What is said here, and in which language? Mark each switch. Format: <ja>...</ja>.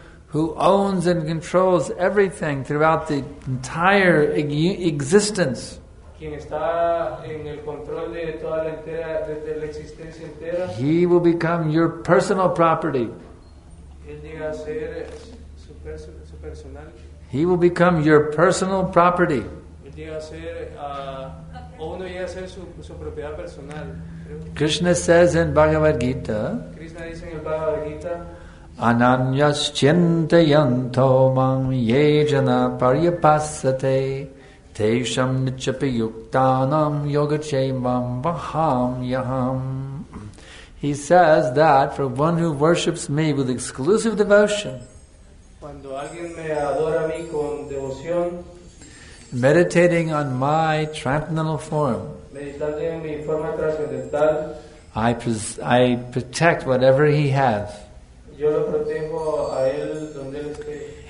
<en>who owns and controls everything throughout the entire existence.</en> <es>Quien está en el control de toda la entera, desde la existencia entera.</es> <en>He will become your personal property.</en> <es>Él llega a ser su personal.</es> <en>He will become your personal property.</en> <es>Él llega a ser uno y a ser su propiedad personal.</es> <en>Krishna says in Bhagavad Gita.</en> <es>Krishna dice en el Bhagavad Gita.</es> <sa>Ananyas chintayanto mam yejana paryapasate tesham nichapi yuktanam yogachemam vaham yaham.</sa> <en>He says that for one who worships me with exclusive devotion,</en> <es>cuando alguien me adora a mí con devoción,</es> <en>meditating on my transcendental form,</en> <es>meditando en mi forma transcendental,</es> <en>I protect whatever he has.</en> <es>Yo lo protejo a él donde él esté.</es>